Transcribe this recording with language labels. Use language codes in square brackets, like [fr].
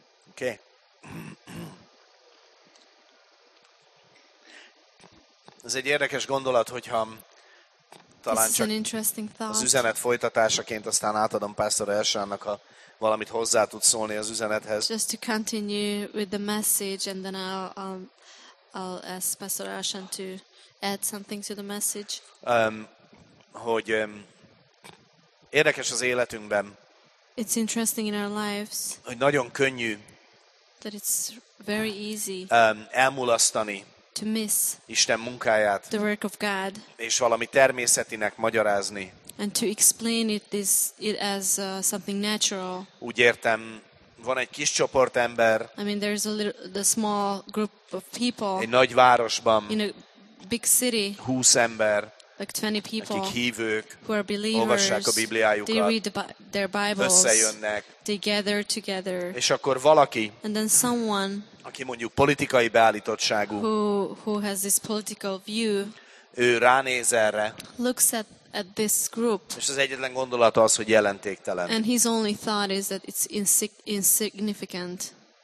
[en] Okay. [hu] Ez egy érdekes gondolat, hogyha talán [en] this [hu] csak [en] is an interesting thought. [hu] Az üzenet folytatásaként aztán átadom Pásztor Elsánnak, ha valamit hozzá tud szólni az üzenethez. [en] Just to continue with the message and then I'll ask Pastor Elsán to add something to the message. [hu] Hogy érdekes az életünkben. [en] It's interesting in our lives. [hu] Hogy nagyon könnyű. [en] That it's very easy. [hu] Elmulasztani. [en] To miss. [hu] Isten munkáját. [en] The work of God. [hu] És valami természetinek magyarázni. [en] And to explain it as something natural. [hu] Úgy értem, van egy kis csoport ember. [en] I mean, there's the small group of people. [hu] Egy nagy városban. [en] In a big city. [hu] 20 ember. [en] Like 20 people, [hu] akik hívők, [en] who are believers, [hu] olvassák a Bibliájukat, [en] they read their Bibles, [hu] összejönnek, [en] they gather together, [hu] és akkor valaki, [en] and then someone, [hu] aki mondjuk politikai beállítottságú, [en] who has this political view, [hu] ő ránéz erre, [en] looks at this group, [hu] és az egyetlen gondolata az, hogy jelentéktelen. [en] And his only thought is that it's insignificant.